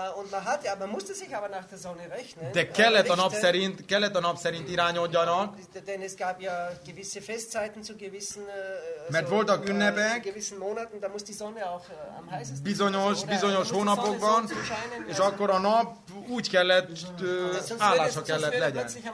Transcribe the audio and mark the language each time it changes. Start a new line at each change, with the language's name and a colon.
German: Und man hat ja, man musste sich aber nach der Sonne rechnen.
Hungarian: De kellett a nap szerint irányodjanak.
German: Denn es gab ja gewisse Festzeiten zu gewissen,
Hungarian: mert voltak ünnepek,
German: gewissen Monaten, da muss die Sonne auch am heißesten.
Hungarian: Bizonyos hónapokban, és akkor a nap úgy kellett, állása kellett legyen.